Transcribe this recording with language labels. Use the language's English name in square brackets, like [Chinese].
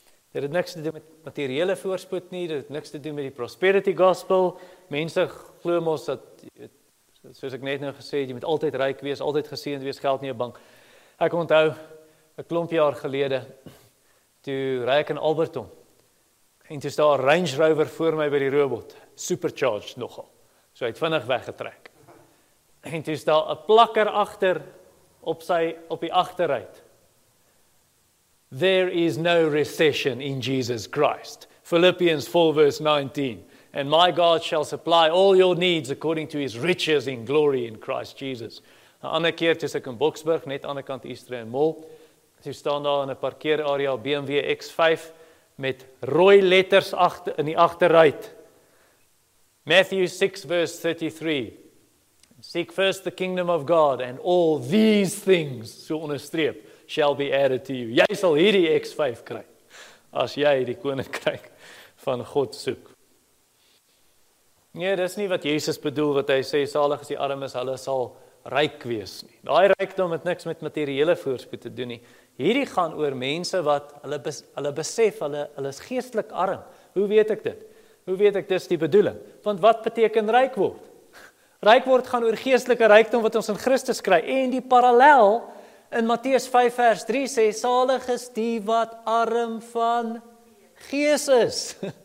[Afrikaans] Dit het niks te doen met materiële voorspoed nie, dit het niks te doen met die prosperity gospel. Mense glo mos dat, soos ek net nou gesê, jy moet altyd ryk wees, altyd geseend wees, geld nie op bank. Ek onthou, 'n klomp jaar gelede, toe rij ek in Alberton, en toe is daar Range Rover voor my by die robot, supercharged nogal, so hy het vinnig weggetrek, en toe is daar 'n plakker achter, op die achterruit, [English] there is no recession in Jesus Christ, Philippians 4 verse 19, and my God shall supply all your needs according to his riches in glory in Christ Jesus. [Afrikaans] Een ander keer, toe is ek in Boksburg, net aan die kant Eastern en Mall, toe staan daar in 'n parkeerarea BMW X5 met rooi letters agter in die agterruit. [English] Matthew 6 verse 33. Seek first the kingdom of God and all these things, [Afrikaans] so onderstreep, [English] shall be added to you. [Afrikaans] Jy sal hierdie X5 kry, as jy die koninkryk van God soek. Nee, dis nie wat Jesus bedoel, wat hy sê, salig is die arm is, hulle sal ryk wees nie. Daai rykdom het niks met materiële voorspoed te doen nie. Hierdie gaan oor mense wat hulle besef, hulle is geestelik arm. Hoe weet ek dit? Hoe weet ek dis die bedoeling? Want wat beteken ryk word? Ryk word gaan oor geestelike rykdom wat ons in Christus kry. En die parallel in Matteus 5 vers 3 sê, salig is die wat arm van gees is.